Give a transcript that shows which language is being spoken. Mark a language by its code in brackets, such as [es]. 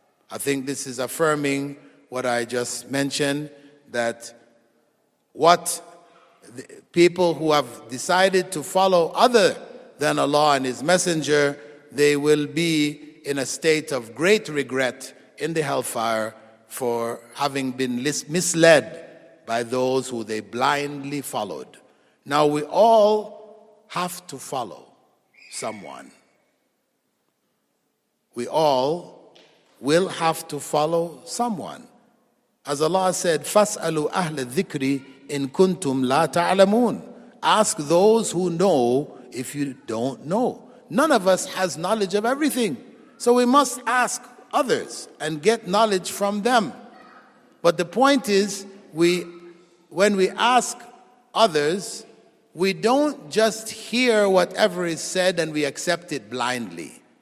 [en] I think this is affirming what I just mentioned, that what the people who have decided to follow other than Allah and His messenger, they will be in a state of great regret in the hellfire for having been misled by those who they blindly followed. Now we all have to follow someone. We all will have to follow someone. [ar] As Allah said, فَاسْأَلُوا أَهْلَ الذِّكْرِ إِن كُنْتُمْ لَا تَعْلَمُونَ. [en] Ask those who know if you don't know. None of us has knowledge of everything. So we must ask others and get knowledge from them. But the point is, when we ask others, we don't just hear whatever is said and we accept it blindly.